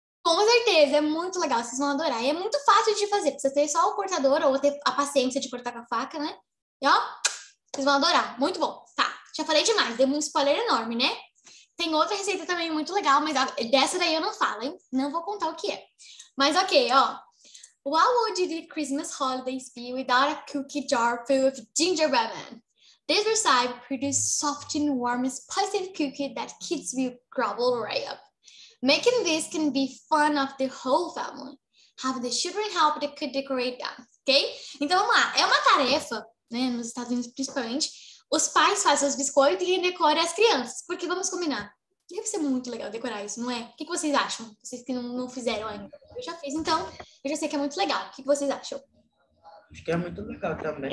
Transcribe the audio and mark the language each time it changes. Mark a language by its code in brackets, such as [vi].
[pt] Com certeza, é muito legal, vocês vão adorar. E é muito fácil de fazer, precisa ter só o cortador ou ter a paciência de cortar com a faca, né? E ó, vocês vão adorar, muito bom. Tá, já falei demais, deu um spoiler enorme, né? Tem outra receita também muito legal, mas dessa daí eu não falo, hein? Não vou contar o que é. Mas ok, ó. [en] What would the Christmas holidays be without a cookie jar full of gingerbread men? This recipe produces soft and warm spicy cookie that kids will gobble right up. Making this can be fun of the whole family. Have the children help to decorate them, ok? [pt] Então vamos lá. É uma tarefa, né, nos Estados Unidos principalmente. Os pais fazem os biscoitos e decoram as crianças, porque vamos combinar. Deve ser muito legal decorar isso, não é? O que vocês acham? Vocês que não fizeram ainda. Eu já fiz, então eu já sei que é muito legal. O que vocês acham? Acho que é muito legal também.